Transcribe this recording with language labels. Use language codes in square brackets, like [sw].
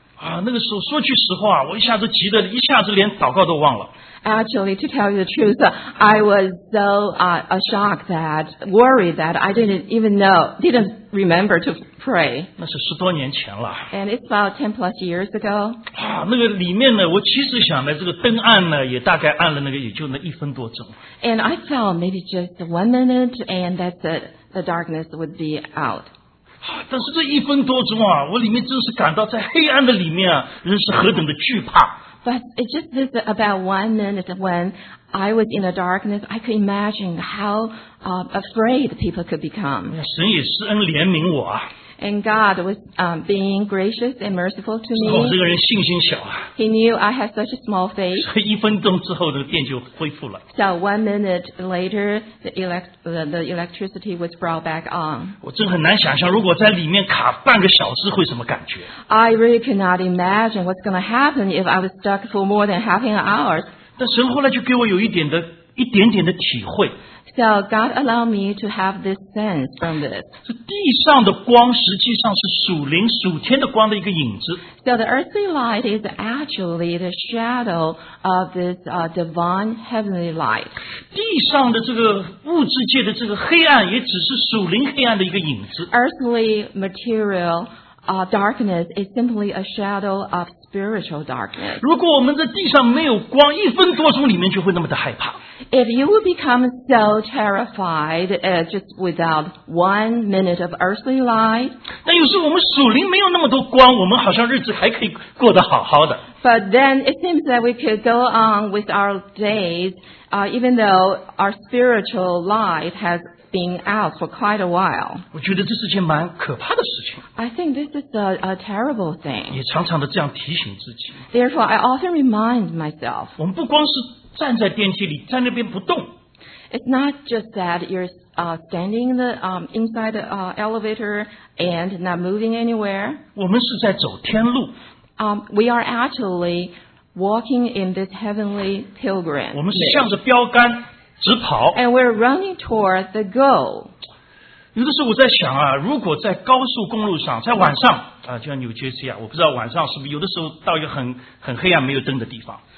[zh] 那个时候说句实话，我一下子急得一下子连祷告都忘了。 [en] Actually, to tell you the truth, I was so shocked that worried that I didn't remember to pray. [zh] 那是十多年前了。 [en] And it's about 10+ years ago. [zh] 那个里面呢，我其实想呢，这个灯暗呢，也大概暗了那个也就那一分多钟。 [en] And I felt maybe just 1 minute, and that the darkness would be out. [zh] 但是这一分多钟啊，我里面真是感到在黑暗的里面啊，人是何等的惧怕。 [en] But it's just this about 1 minute when I was in the darkness, I could imagine how afraid people could become. [zh] 神也施恩怜悯我啊。 [en] And God was being gracious and merciful to me. [zh] 我这个人信心小啊。 [en] He knew I had such a small faith. [zh] 所以一分钟之后，那个电就恢复了。 [en] So 1 minute later, the electricity was brought back on. [zh] 我真很难想象，如果在里面卡半个小时会什么感觉。 [en] I really cannot imagine what's going to happen if I was stuck for more than half an hour. [zh] 但神后来就给我有一点的一点点的体会。 [en] So God allow me to have this sense from this. [zh] 这地上的光实际上是属灵属天的光的一个影子。 [en] So the earthly light is actually the shadow of this divine heavenly light. [zh] 地上的这个物质界的这个黑暗也只是属灵黑暗的一个影子。 [en] Earthly material darkness is simply a shadow of spiritual darkness. [zh] 如果我们在地上没有光，一分多钟里面就会那么的害怕。 [en] If you would become so terrified just without 1 minute of earthly light, [zh] 但有时候我们属灵没有那么多光，我们好像日子还可以过得好好的。 [en] But then it seems that we could go on with our days, even though our spiritual light has been out for quite a while. [zh] 我觉得这是件蛮可怕的事情。 [en] I think this is a terrible thing. [zh] 也常常的这样提醒自己。 [en] Therefore, I often remind myself. [zh] 我们不光是站在电梯里，在那边不动。 [en] It's not just that you're standing inside the elevator and not moving anywhere. [zh] 我们是在走天路。 [en] We are actually walking in this heavenly pilgrim. [zh] 我们是向着标杆直跑。 [en] And we're running toward the goal. [zh] 有的时候我在想啊，如果在高速公路上，在晚上啊，就像纽约这样，我不知道晚上是不是有的时候到一个很黑暗没有灯的地方。